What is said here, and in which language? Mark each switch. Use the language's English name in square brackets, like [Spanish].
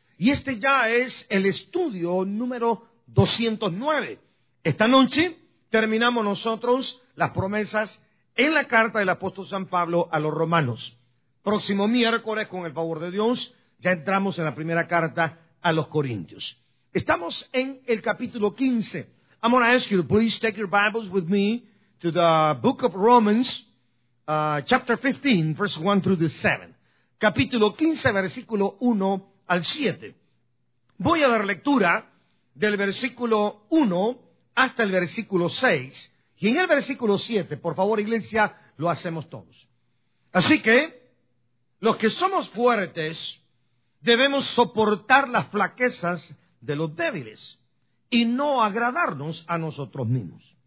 [Spanish] Y este ya es el estudio número 209. Esta noche terminamos nosotros las promesas en la carta del apóstol San Pablo a los Romanos. Próximo miércoles, con el favor de Dios, ya entramos en la primera carta a los Corintios. Estamos en el capítulo 15. [English] I'm going to ask you to please take your Bibles with me to the book of Romans, chapter 15, verse 1 through the 7. [Spanish] Capítulo 15, versículo 1 al 7. Voy a dar lectura del versículo 1 hasta el versículo 6. Y en el versículo 7, por favor, iglesia, lo hacemos todos. Así que los que somos fuertes debemos soportar las flaquezas de los débiles y no agradarnos a nosotros mismos.